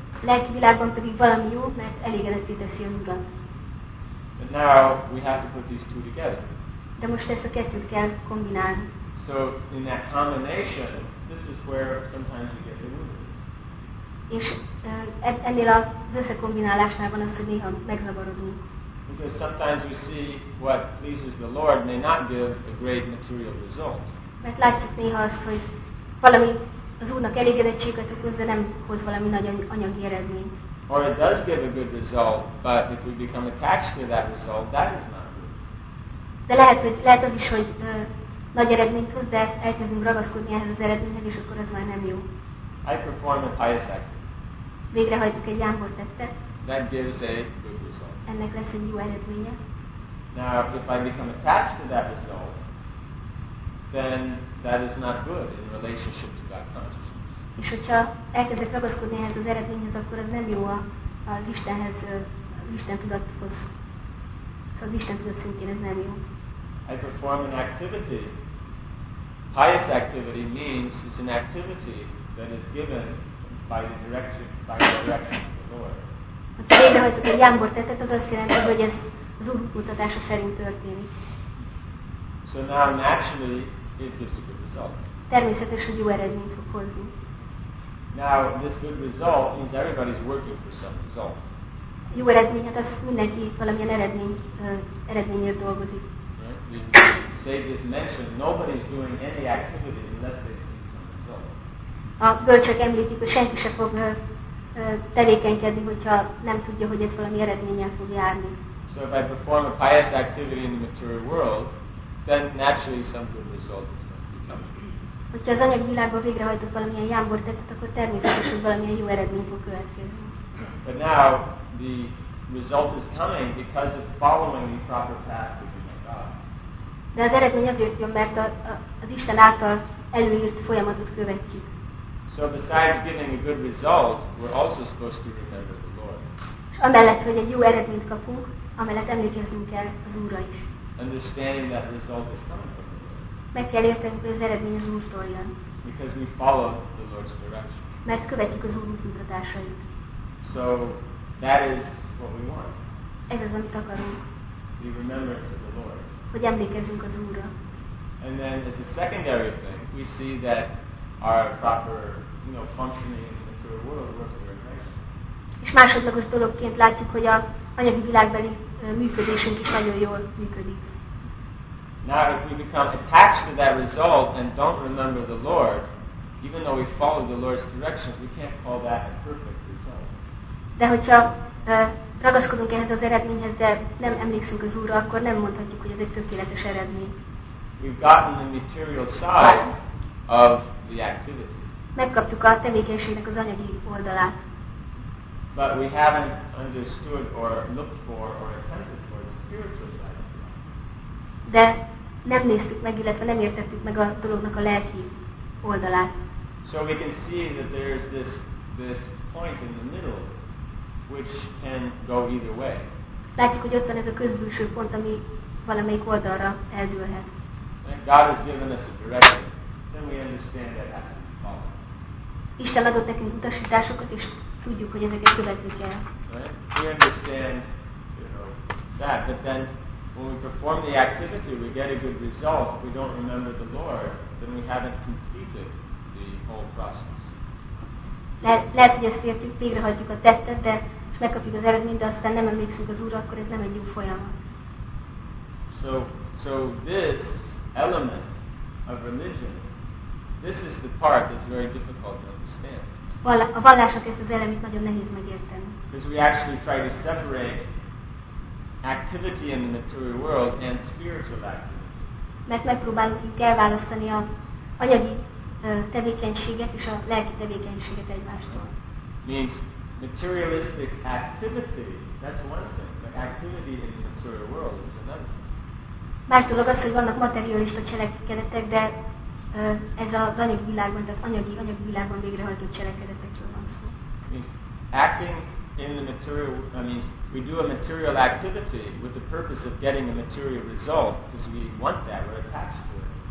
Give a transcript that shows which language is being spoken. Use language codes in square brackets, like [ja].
[hu] Lelki világban pedig valami jó, mert elégedetté teszi az Urat. [en] But now we have to put these two together. [hu] De most ezt a kettőt kell kombinálni. [en] So in that combination, this is where sometimes we get the wound. [hu] És ennél az összekombinálásnál van az, hogy néha megzavarodunk. [en] Because sometimes we see what pleases the Lord may not give a great material result. [hu] Mert látjuk néha azt, hogy valami az Úrnak elégedettséget okoz, de nem hoz valami nagy anyagi eredményt. [en] Or it does give a good result, but if we become attached to that result, that is not good. [hu] De lehet, hogy, lehet az is, hogy nagy eredményt hoz, de elkezdünk ragaszkodni ehhez az eredményhez, és akkor az már nem jó. [en] I perform a pious act. [hu] Végrehajtjuk egy jámbor tettet. [en] That gives a good result. [hu] Ennek lesz egy jó eredménye. [en] Now, if I become attached to that result, then that is not good in relationship to God consciousness. [hu] És hogyha elkezdek ragaszkodni ehhez az eredményhez, akkor az nem jó az Istenhez, az Isten tudathoz. Szóval az Isten tudat szintjén ez nem jó. [en] I perform an activity. Pious activity means it's an activity that is given by the direction of the Lord. [hu] Ha végrehajtok egy jámbor tettet, az azt jelenti, hogy ez az Úr mutatása szerint történik. [en] So now naturally it gives a good result. [hu] Természetesen jó eredményt fog hozni. [en] Now, this good result means everybody's working for some result. [hu] Jó eredményet, az mindenki valamilyen eredményért dolgozik. [en] Right? We say this mention, nobody's doing any activity unless they see some result. [hu] A bölcsök említik, hogy senki se fog tevékenykedni, hogyha nem tudja, hogy ez valami eredménnyel fog járni. [en] So if I perform a pious activity in the material world, then naturally some good result is going to be coming. [hu] Hogyha az anyagi világban végrehajtok valamilyen jámbor tettet, akkor természetesen valamilyen jó eredmény fog következni. [en] But now the result is coming because of following the proper path to be God. [hu] De az eredmény azért jön, mert az Isten által előírt folyamatot követjük. [en] So besides giving a good result, we're also supposed to remember the Lord. [hu] És amellett, hogy egy jó eredményt kapunk, amellett emlékeznünk kell az Úrra is. [en] Understanding that result is coming. [hu] Meg kell értenünk, hogy az eredmény az Úrtól jön. [en] Because we follow the Lord's direction. [hu] Mert követjük az Úr útmutatásait. [en] So that is what we want. [hu] Ez az, amit akarunk. [en] We remember to the Lord. [hu] Hogy emlékezzünk az Úrra. [en] And then as a secondary thing, we see that our proper, you know, functioning in the material world works very nicely. [hu] És másodlagos dologként látjuk, hogy a anyagi világbeli működésünk is nagyon jól működik. [en] Now, if we become attached to that result and don't remember the Lord, even though we follow the Lord's direction, we can't call that a perfect result. [hu] De hogyha ragaszkodunk ehhez az eredményhez, de nem emlékszünk az Úrra, akkor nem mondhatjuk, hogy ez egy tökéletes eredmény. [en] We've gotten the material side of the activity. [hu] Megkaptuk a tevékenységnek az anyagi oldalát. [en] But we haven't understood or looked for or attempted for the spiritual side. [hu] De nem néztük meg, illetve nem értettük meg a dolognak a lelki oldalát. [en] So we can see that there is this point in the middle which can go either way. [hu] Látjuk, hogy ott van ez a közbülső pont, ami valamelyik oldalra eldőlhet. [en] And God has given us a direction, then we understand that has to be followed. [hu] Isten adott nekünk utasításokat, és tudjuk, hogy ezeket követni kell. [en] Right? We understand, you know, that, but then when we perform the activity, we get a good result. If we don't remember the Lord, then we haven't completed the whole process. [hu] Lehet, hogy ezt értjük, végrehajtjuk a tettet, de és megkapjuk az eredményt, de aztán nem emlékszünk az Úrra, akkor ez nem egy jó folyamat. [en] So this element of religion, this is the part that's very difficult to understand. [hu] A vallásnak ezt az elemét nagyon nehéz megérteni. [en] Because we actually try to separate activity in the material world and spiritual activity. [hu] Mert megpróbálunk elválasztani a anyagi tevékenységet és a lelki tevékenységet egymástól. [en] Means materialistic activity, that's one thing, but activity in the material world is another. [hu] Más dolog az, hogy vannak materialista cselekedetek, de ez az anyagi világban, tehát anyagi világban végrehajtott cselekedetekről van szó. [en] Acting in the material, I mean, we do a material activity with the purpose of getting a material result, because we want that, we're attached to it.